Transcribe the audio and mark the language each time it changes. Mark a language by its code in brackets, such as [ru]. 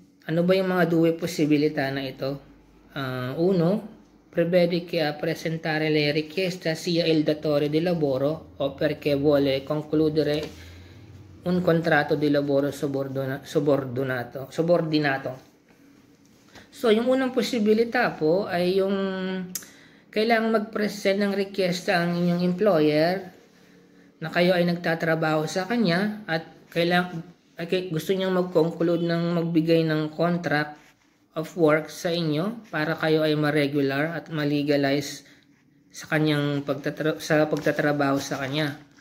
[tl] Ano ba yung mga due posibilidad na ito? [it] Uno, prevede che a presentare le richieste sia il datore di lavoro o perché vuole concludere un contratto di lavoro subordinato. [tl] So, yung unang posibilidad po ay yung kailangan mag-present ng requesta ang inyong employer na kayo ay nagtatrabaho sa kanya at gusto niyang mag-conclude ng magbigay ng contract of work sa inyo para kayo ay ma-regular at ma-legalize sa kanyang sa pagtatrabaho sa kanya.